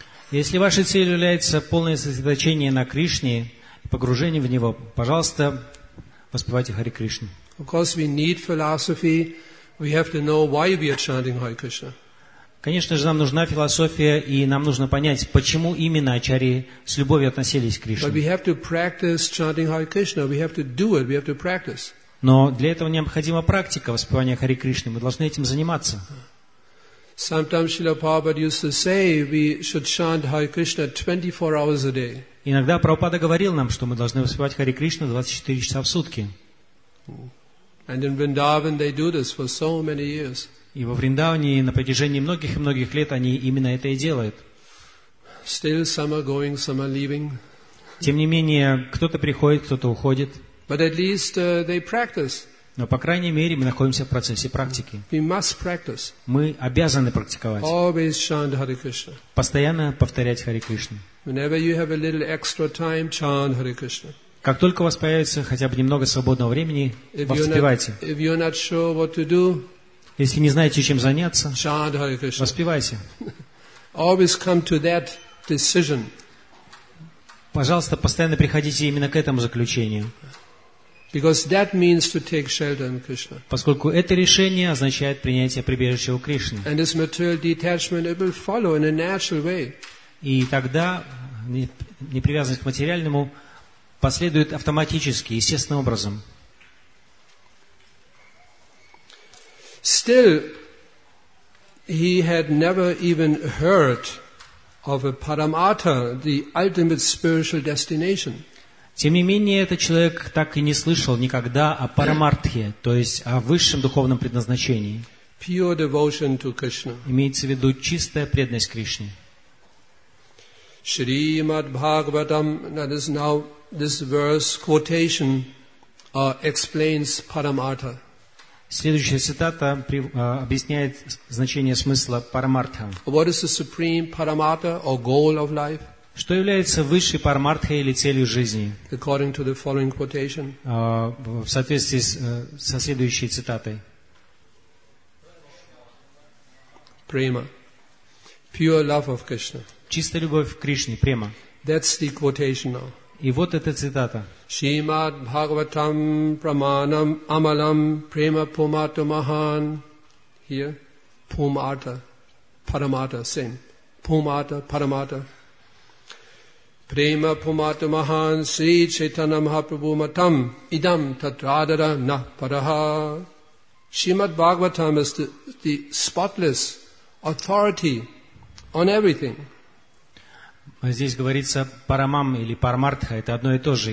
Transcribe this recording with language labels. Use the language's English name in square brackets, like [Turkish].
[Russian] Если вашей целью является полное сосредоточение на Кришне и погружение в него, пожалуйста, воспевайте Хари Кришну. [English] Of course, we need philosophy. We have to know why we are chanting Hare Krishna. [Russian] Конечно же, нам нужна философия, и нам нужно понять, почему именно ачарьи с любовью относились к Кришне. [English] But we have to practice chanting Hare Krishna. We have to do it. We have to practice. [Russian] Но для этого необходима практика воспевания Хари Кришны. Мы должны этим заниматься. [English] Sometimes Srila Prabhupada used to say we should chant Hare Krishna 24 hours a day. [Russian] Иногда Прабхупада говорил нам, что мы должны воспевать Хари Кришну 24 часа в сутки. [English] And in Vrindavan they do this for so many years. [Russian] И во Вриндаване на протяжении многих и многих лет они именно это и делают. [English] Still some are going, some are leaving. [Russian] Тем не менее, кто-то приходит, кто-то уходит. [English] But at least they practice. [Russian] Но, по крайней мере, мы находимся в процессе практики. [English] We must practice. [Russian] Мы обязаны практиковать. [English] Always chant Hare Krishna. [Russian] Постоянно повторять Хари Кришну. [English] Whenever you have a little extra time, chant Hare Krishna. [Russian] Как только у вас появится хотя бы немного свободного времени, воспевайте. [English] If you're not sure what to do, [Russian] если не знаете, чем заняться, [English] chant Hare Krishna. [Russian] Воспевайте. [English] Always come to that decision. [Russian] Пожалуйста, постоянно приходите именно к этому заключению. [English] Because that means to take shelter in Krishna. [Russian] Поскольку это решение означает принятие прибежища у Кришны. [English] And this material detachment it will follow in a natural way. [Russian] И тогда непривязанность к материальному последует автоматически, естественным образом. [English] Still, he had never even heard of a Paramartha, the ultimate spiritual destination. [Russian] Тем не менее, этот человек так и не слышал никогда о парамартхе, то есть о высшем духовном предназначении. [English] Pure devotion to Krishna. [Russian] Имеется в виду чистая преданность Кришне. [English] Шримад Бхагаватам, that is now this verse quotation, explains Paramartha. [Russian] Следующая цитата объясняет значение смысла парамартха. [English] What is the supreme Paramartha or goal of life? [Russian] Что является высшей парамартхой или целью жизни? [English] According to the following quotation. [Russian] В соответствии со следующей цитатой. [English] Према. Pure love of Krishna. [Russian] Чистая любовь к Кришне, према. [English] That's the quotation now. [Russian] И вот эта цитата. [Sanskrit] Шримад Бхагаватам Праманам Амалам Према Пумарта Махан. [English] Here. Пумарта. Парамарта. Same. Пумарта. Парамарта. [Sanskrit] Prema Pumata Mahan Sri Chaitanya Mahaprabhu Matam Idam Tatradara Na Paraha. [English] Srimad Bhagavatam is the spotless authority on everything. [Russian] Здесь говорится Парамам или Парамартха, это одно и то же.